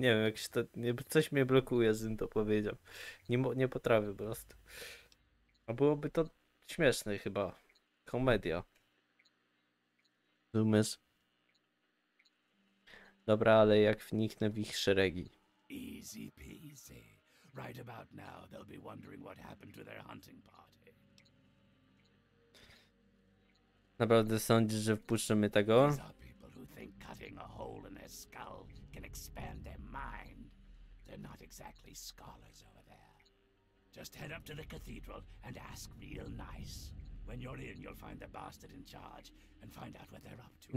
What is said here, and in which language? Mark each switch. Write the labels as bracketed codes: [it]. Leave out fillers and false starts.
[pl] Nie wiem, jak się to, nie, coś mnie blokuje, żebym to powiedział. Nie potrafię po prostu. A byłoby to śmieszne chyba. Komedia. Zumysł. Dobra, ale jak wniknę w ich szeregi? [en] Easy peasy. Right about now they'll be wondering what happened to their hunting party. [pl] Naprawdę sądzisz, że wpuszczą mnie tego? [en] These are people who think cutting a hole in their skull can expand their mind. They're not exactly scholars over there. Just head up to the cathedral and ask real nice. When you're in, you'll find the bastard in charge and find out what they're up to.